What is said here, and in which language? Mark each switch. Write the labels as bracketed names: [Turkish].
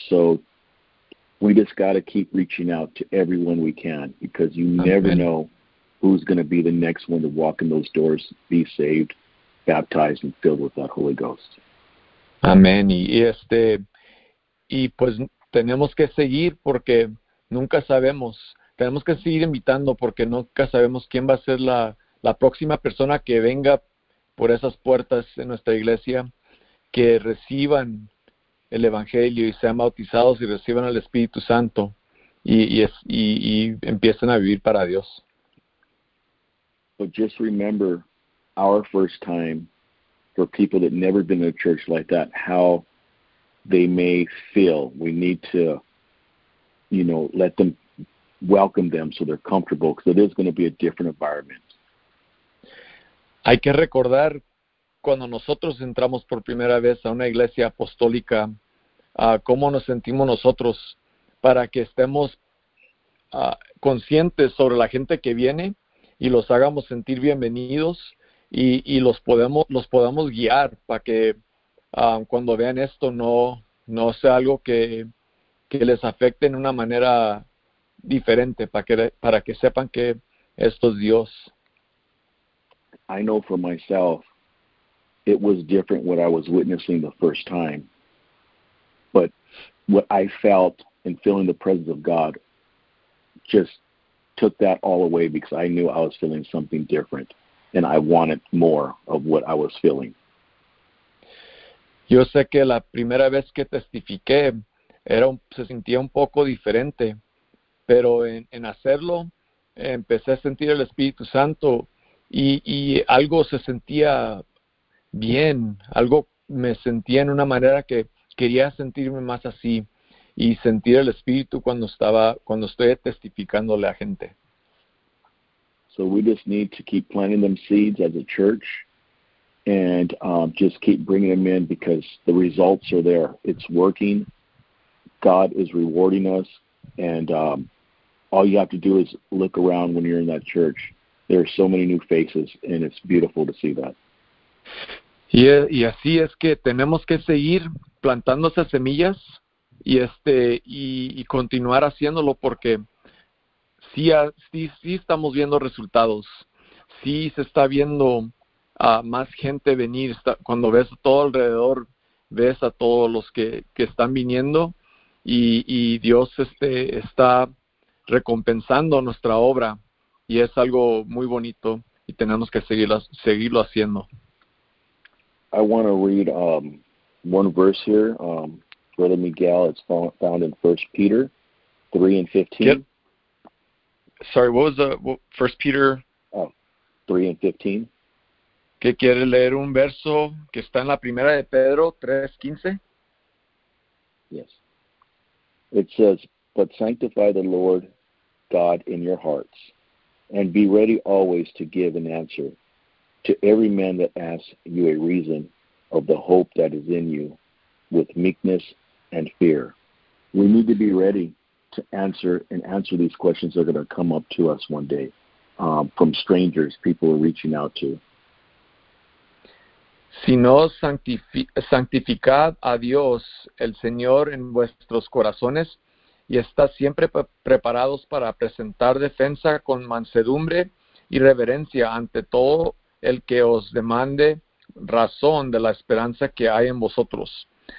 [English] So we just got to keep reaching out to everyone we can because you never [Spanish] Amén. [English] know who's going to be the next one to walk in those doors, be saved, baptized, and filled with that Holy Ghost. [Spanish] Amén. Y pues tenemos que seguir porque nunca sabemos. Tenemos que seguir invitando porque nunca sabemos quién va a ser la próxima persona que venga por esas puertas en nuestra iglesia, que reciban el Evangelio y sean bautizados y reciban el Espíritu Santo y empiecen a vivir para Dios. [English] But just remember our first time for people that never been in a church like that, how they may feel. We need to, let them welcome them so they're comfortable because it is going to be a different environment. [Spanish] Hay que recordar cuando nosotros entramos por primera vez a una iglesia apostólica, cómo nos sentimos nosotros para que estemos conscientes sobre la gente que viene y los hagamos sentir bienvenidos y los podamos guiar para que cuando vean esto no sea algo que les afecte en una manera diferente, para que sepan que esto es Dios. [English] I know for myself, it was different what I was witnessing the first time. But what I felt and feeling the presence of God just took that all away because I knew I was feeling something different and I wanted more of what I was feeling. [Spanish] Yo sé que la primera vez que testifiqué se sentía un poco diferente, pero en hacerlo empecé a sentir el Espíritu Santo y algo se sentía bien, algo me sentía en una manera que quería sentirme más así y sentir el Espíritu cuando estoy testificándole a gente. [English] So we just need to keep planting them seeds as a church and just keep bringing them in because the results are there. It's working. God is rewarding us. And all you have to do is look around when you're in that church. There are so many new faces, and it's beautiful to see that. [Spanish] Y así es que tenemos que seguir plantando esas semillas y continuar haciéndolo porque sí estamos viendo resultados. Sí se está viendo a más gente venir. Cuando ves todo alrededor, ves a todos los que están viniendo y Dios está recompensando nuestra obra y es algo muy bonito y tenemos que seguirlo haciendo. [English] I want to read one verse here, Brother Miguel. It's found in 1 Peter 3:15. Sorry, what was the First Peter? 3:15. [Spanish] ¿Qué quiere leer un verso que está en la primera de Pedro 3:15? [English] Yes. It says, "But sanctify the Lord God in your hearts, and be ready always to give an answer to every man that asks you a reason of the hope that is in you with meekness and fear." We need to be ready to answer these questions that are going to come up to us one day, from strangers, people are reaching out to. [Spanish] Sino santificad a Dios, el Señor, en vuestros corazones, y estad siempre preparados para presentar defensa con mansedumbre y reverencia ante todo el que os demande razón de la esperanza que hay en vosotros.